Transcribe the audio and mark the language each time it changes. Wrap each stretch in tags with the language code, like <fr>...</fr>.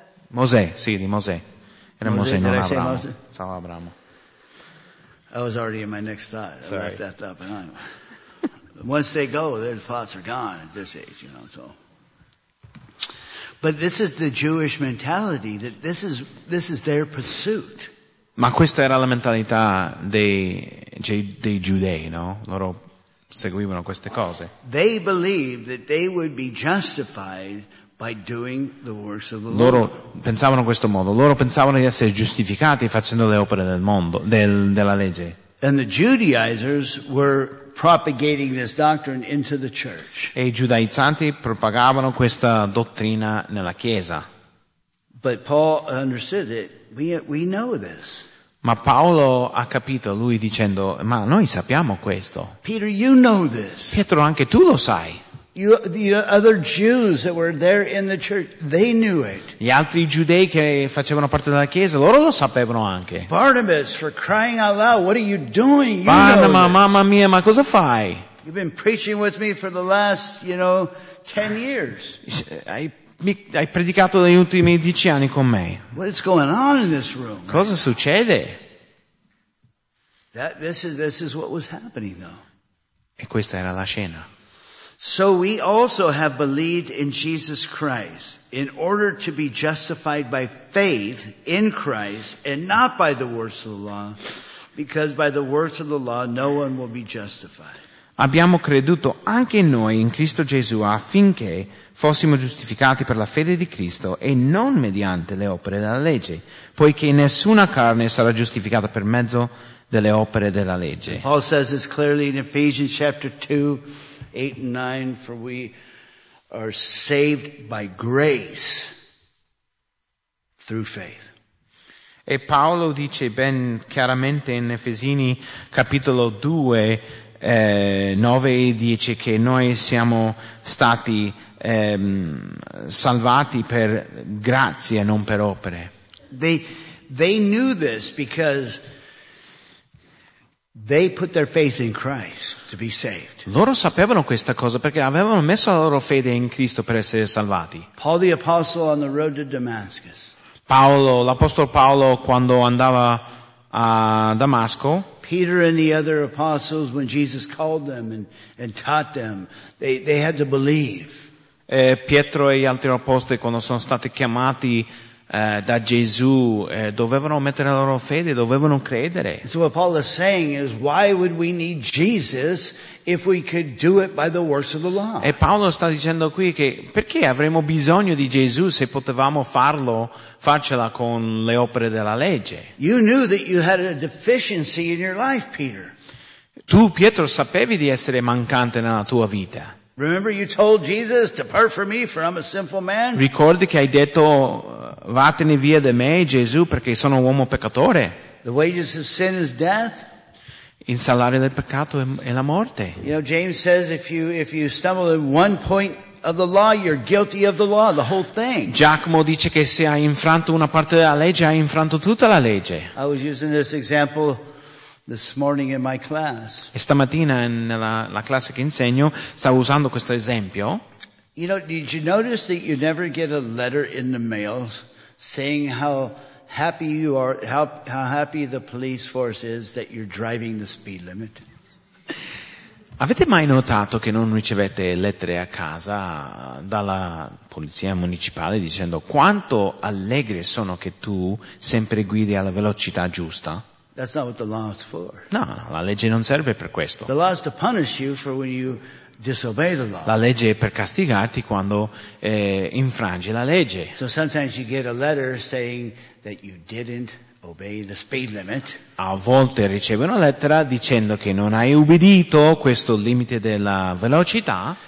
<it>Mosè, sì, di Mosè. Era Mosè, non Abramo. Ciao Abramo.</it> <en>I was already in my next thought. Sorry. I left that thought behind. Once they go, their thoughts are gone at this age, you know, so. But this is the Jewish mentality, that this is their pursuit.</en> <it>Ma questa era la mentalità dei giudei, no? Loro seguivano queste cose.</it> <en>They believed that they would be justified by doing the works of the Lord.</en> <it>Loro pensavano in questo modo. Loro pensavano di essere giustificati facendo le opere del mondo, della legge.</it> <en>And the Judaizers were propagating this doctrine into the church.</en> <it>E i giudaizzanti propagavano questa dottrina nella chiesa.</it> <en>But Paul understood that we know this.</en> <it>Ma Paolo ha capito, lui dicendo, ma noi sappiamo questo.</it> <en>Peter, you know this.</en> <it>Pietro, anche tu lo sai.</it> <en>The other Jews that were there in the church, they knew it.</en> <it>Gli altri giudei che facevano parte della chiesa, loro lo sapevano anche.</it> <en>Barnabas, for crying out loud, what are you doing?</en> <it>Barnabas, mamma mia, ma cosa fai?</it> <en>You've been preaching with me for the last, 10 years.</en> <it>Hai predicato negli ultimi 10 anni con me.</it> <en>What is going on in this room?</en> <it>Cosa succede?</it> <en>This is what was happening, though.</en> <it>E questa era la scena.</it> <en>So we also have believed in Jesus Christ in order to be justified by faith in Christ and not by the works of the law, because by the works of the law no one will be justified.</en> <it>Abbiamo creduto anche noi in Cristo Gesù affinché fossimo giustificati per la fede di Cristo e non mediante le opere della legge, poiché nessuna carne sarà giustificata per mezzo delle opere della legge.</it> <en>Paul says this clearly in Ephesians chapter 2, 8 and 9, for we are saved by grace through faith.</en> <it>E Paolo dice ben chiaramente in Efesini capitolo 2, 9 e 10 che noi siamo stati salvati per grazia, non per opere.</it> <en>They knew this because they put their faith in Christ to be saved.</en> <it>Loro sapevano questa cosa perché avevano messo la loro fede in Cristo per essere salvati.</it> <en>Paul the apostle on the road to Damascus.</en> <it>Paolo, l'apostolo Paolo quando andava a Damasco.</it> <en>Peter and the other apostles when Jesus called them and taught them, they had to believe.</en> <it>E Pietro e gli altri apostoli quando sono stati chiamati da Gesù dovevano mettere la loro fede, dovevano credere.</it> <en>So what Paul is saying is, why would we need Jesus if we could do it by the works of the law?</en> <it>E Paolo sta dicendo qui che perché avremmo bisogno di Gesù se potevamo farcela con le opere della legge?</it> <en>You knew that you had a deficiency in your life, Peter.</en> <it>Tu, Pietro, sapevi di essere mancante nella tua vita.</it> <en>Remember you told Jesus, depart from me, for I'm a sinful man.</en> <it>Ricordi che hai detto, vattene via da me, Gesù, perché sono un uomo peccatore.</it> <en>The wages of sin is death.</en> <it>Il salario del peccato è la morte.</it> <en>James says if you stumble in one point of the law, you're guilty of the law, the whole thing.</en> <it>Giacomo dice che se hai infranto una parte della legge, hai infranto tutta la legge.</it> <en>I was using this example this morning in my class.</en> <it>E stamattina nella classe che insegno stavo usando questo esempio.</it> <en>Did you notice that you never get a letter in the mail saying how happy you are, how happy the police force is that you're driving the speed limit?</en> <it>Avete mai notato che non ricevete lettere a casa dalla polizia municipale dicendo quanto allegre sono che tu sempre guidi alla velocità giusta?</it> <en>That's not what the law is for.</en> <it>No, la legge non serve per questo.</it> <en>The law is to punish you for when you disobey the law.</en> <it>La legge è per castigarti quando infrangi la legge.</it> <en>So sometimes you get a letter saying that you didn't obey the speed limit.</en> <it>A volte ricevi una lettera dicendo che non hai ubbidito questo limite della velocità.</it>